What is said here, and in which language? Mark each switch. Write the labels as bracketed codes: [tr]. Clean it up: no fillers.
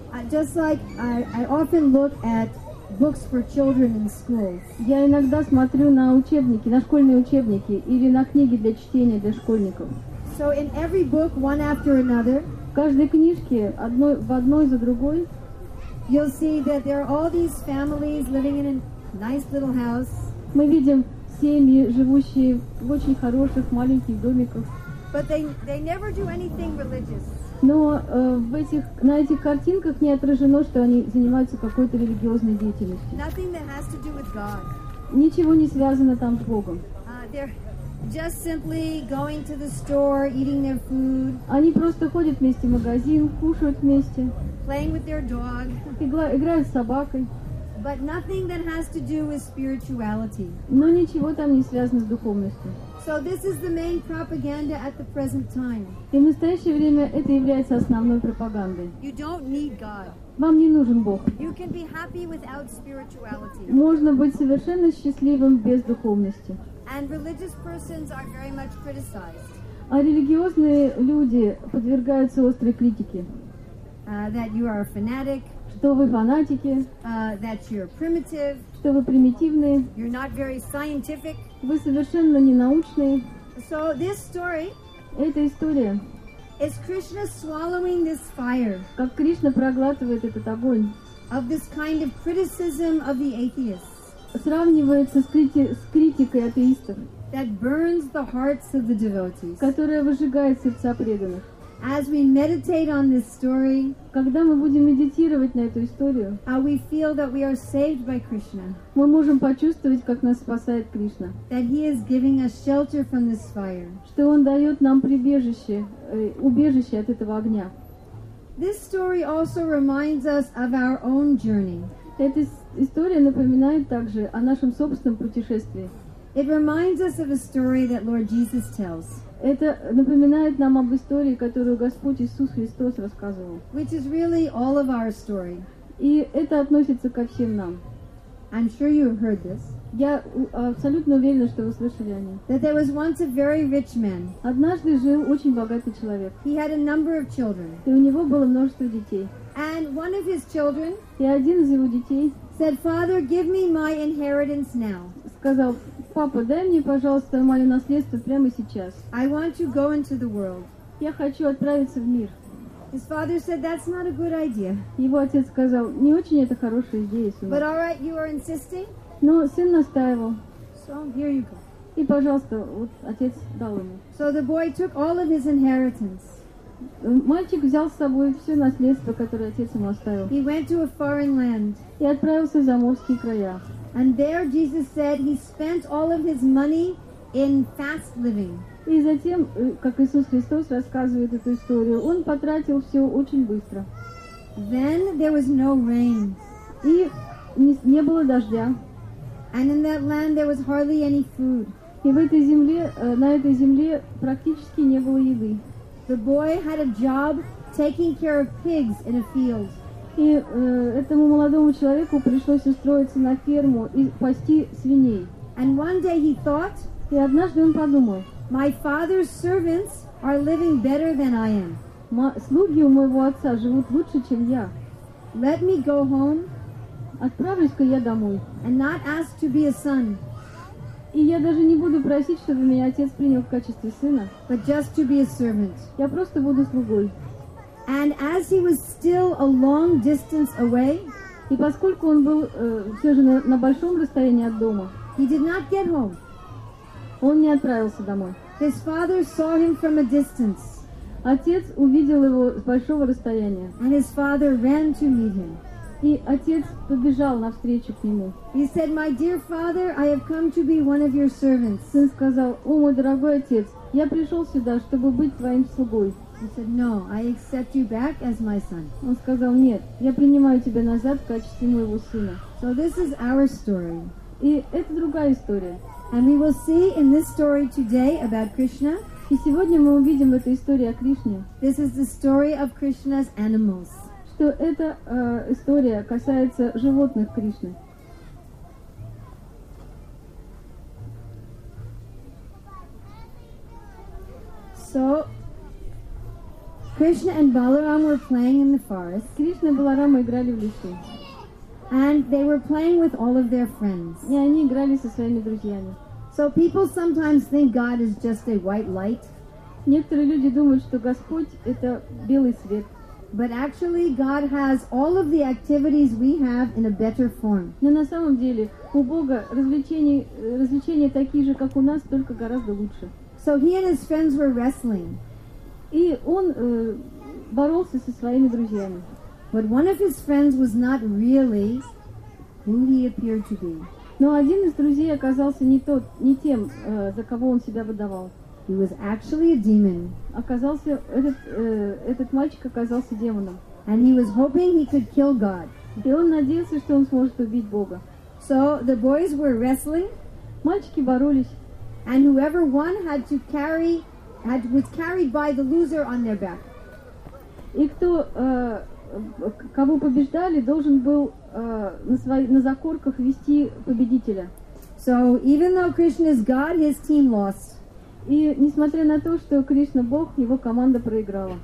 [en] Just like I often look at books for children in schools. [ru] Я иногда смотрю на учебники, на школьные учебники или на книги для чтения для школьников. [en] So in every book, one after another, [ru] в каждой книжке одной за другой, [en] you'll see that there are all these families living in a nice little house. [ru] Мы видим семьи, живущие в очень хороших маленьких домиках. [en] But they never do anything religious. [ru] Но на этих картинках не отражено, что они занимаются какой-то религиозной деятельностью. [en] Nothing that has to do with God. [ru] Ничего не связано там с Богом. [en] They're just simply going to the store, eating their food. [ru] Они просто ходят вместе в магазин, кушают вместе. [en] Playing with their dog. [ru] Играют с собакой. [en] But nothing that has to do with spirituality. [ru] Но ничего там не связано с духовностью. [en] So this is the main propaganda at the present time. [ru] И в настоящее время это является основной пропагандой. [en] You don't need God. [ru] Вам не нужен Бог. [en] You can be happy without spirituality. [ru] Можно быть совершенно счастливым без духовности. [en] And religious persons are very much criticized. [ru] А религиозные люди подвергаются острой критике. [en] That you are a fanatic. [ru] Что вы фанатики. [en] That you're primitive. [ru] Что вы примитивные. [en] You're not very scientific. [ru] Вы совершенно не научные. [en] So this story, [ru] эта история, [en] is Krishna swallowing this fire. [ru] Как Кришна проглатывает этот огонь. [en] Of this kind of criticism of the atheists. [ru] Сравнивается с критикой атеистов. [en] That burns the hearts of the devotees. [ru] Которая выжигает сердца преданных. [en] As we meditate on this story, [ru] когда мы будем медитировать на эту историю, [en] we feel that we are saved by Krishna. [ru] Мы можем почувствовать, как нас спасает Кришна. [en] That he is giving us shelter from this fire. [ru] Что он дает нам прибежище, убежище от этого огня. [en] This story also reminds us of our own journey. [ru] Эта история напоминает также о нашем собственном путешествии. [en] It reminds us of a story that Lord Jesus tells. [ru] Это напоминает нам об истории, которую Господь Иисус Христос рассказывал. [en] Which is really all of our story. [ru] И это относится ко всем нам. [en] I'm sure you have heard this. [ru] Я абсолютно уверена, что вы слышали о ней. [en] That there was once a very rich man. [ru] Однажды жил очень богатый человек. [en] He had a number of children. [ru] И у него было множество детей. [en] And one of his children. [ru] И один из его детей. [en] Said, Father, give me my inheritance now. [ru] Сказал, папа, дай мне, пожалуйста, мое наследство прямо сейчас. [en] I want to go into the world. [ru] Я хочу отправиться в мир. [en] His father said, that's not a good idea. [ru] Его отец сказал, не очень это хорошая идея, сын. [en] But all right, you are insisting. [ru] Но сын настаивал. [en] So here you go. [ru] И, пожалуйста, вот отец дал ему. [en] So the boy took all of his inheritance. [ru] Мальчик взял с собой все наследство, которое отец ему оставил. [en] He went to a foreign land. [ru] И отправился за морские края. [en] And there Jesus said he spent all of his money in fast living. [ru] И затем, как Иисус Христос рассказывает эту историю, он потратил все очень быстро. [en] Then there was no rain. [ru] И не было дождя. [en] And in that land there was hardly any food. [ru] И на этой земле практически не было еды. [en] The boy had a job taking care of pigs in a field. [ru] И этому молодому человеку пришлось устроиться на ферму и пасти свиней. [en] And one day he thought, [ru] и однажды он подумал, [en] my father's servants are living better than I am. [ru] Слуги у моего отца живут лучше, чем я. [en] Let me go home. [ru] Отправлюсь-ка я домой. [en] And not ask to be a son. [ru] И я даже не буду просить, чтобы меня отец принял в качестве сына. [en] But just to be a servant. [ru] Я просто буду слугой. [en] And as he was still a long distance away, [ru] и поскольку он был все же на большом расстоянии от дома, [en] he did not get home. [ru] Он не отправился домой. [en] His father saw him from a distance. [ru] Отец увидел его с большого расстояния. [en] And his father ran to meet him. [ru] И отец побежал навстречу к нему. [en] He said, "My dear father, I have come to be one of your servants." [ru] Сын сказал: "О, мой дорогой отец, я пришел сюда, чтобы быть твоим слугой." [en] He said, "No, I accept you back as my son." [ru] Он сказал: "Нет, я принимаю тебя назад в качестве моего сына." [en] So this is our story. [ru] И это другая история. [en] And we will see in this story today about Krishna. [ru] И сегодня мы увидим эту историю о Кришне. [en] This is the story of Krishna's animals. [ru] Что эта история касается животных Кришны. [en] So, Krishna and Balaram were playing in the forest. [ru] Кришна и Баларама играли в лесу. [en] And they were playing with all of their friends. [ru] И они играли со своими друзьями. [en] So people sometimes think God is just a white light. [ru] Некоторые люди думают, что Господь это белый свет. [en] But actually God has all of the activities we have in a better form. [ru] Но на самом деле у Бога развлечения такие же, как у нас, только гораздо лучше. [en] So he and his friends were wrestling. [ru] И он боролся со своими друзьями. [en] But one of his friends was not really who he appeared to be. [ru] Но один из друзей оказался не тем, за кого он себя выдавал. [en] He was actually a demon. [ru] Оказался этот мальчик оказался демоном. [en] And he was hoping he could kill God. [ru] И он надеялся, что он сможет убить Бога. [en] So the boys were wrestling. [ru] Мальчики боролись. [en] And whoever won was carried by the loser on their back. [ru] И кто кого побеждали, должен был на закорках вести победителя. [en] So even though Krishna is God, his team lost. [ru] И несмотря на то, что Кришна Бог, его команда проиграла.